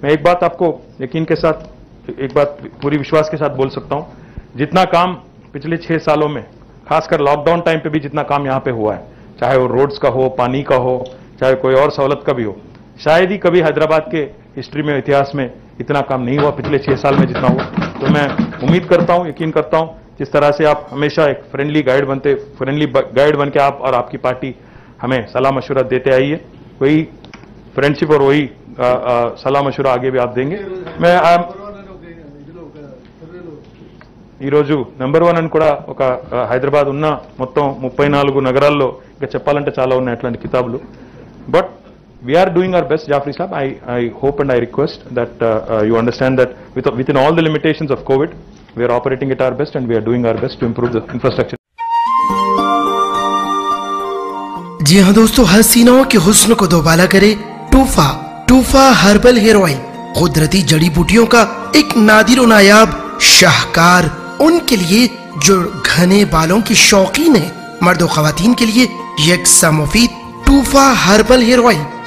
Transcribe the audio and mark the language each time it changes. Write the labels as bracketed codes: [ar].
[hi] मैं एक बात आपको यकीन के साथ, एक बात पूरी विश्वास के साथ बोल सकता हूं, जितना काम पिछले 6 सालों में खासकर लॉकडाउन टाइम पे भी जितना काम यहां पे हुआ है, चाहे वो रोड्स का हो, पानी का हो, चाहे कोई और सहूलत का भी हो, शायद ही कभी हैदराबाद के हिस्ट्री में, इतिहास में इतना काम नहीं हुआ पिछले 6 साल में जितना हुआ। तो मैं उम्मीद करता हूं, यकीन करता हूं, जिस तरह से आप हमेशा एक फ्रेंडली गाइड बन के आप और आपकी पार्टी हमें सलाह मशवरा देते आई है, वही फ्रेंडशिप और वही सलाह मशवरा आगे भी आप देंगे। [en] मैं ఈరోజు number one అని కూడా ఒక హైదరాబాద్ ఉన్న మొత్తం 34 నగరాల్లో ఇంకా చెప్పాలంటే చాలా ఉన్నాయి అట్లాంటి కితాబులు, but we are doing our best Jafri sahab, I hope and I request that you understand that with in all the limitations of Covid we are operating it our best and we are doing our best to improve the infrastructure. [hi] जी हाँ दोस्तों, हर सीनाओं के हुस्न को दोबाला करे TUFA, TUFA herbal hair oil, कुदरती जड़ी बूटियों का एक नादिर नायाब शाहकार उनके लिए जो घने बालों की शौकीन है। मर्द और खवातीन के लिए एक सा मुफीद टूफा हर्बल हेयर ऑयल।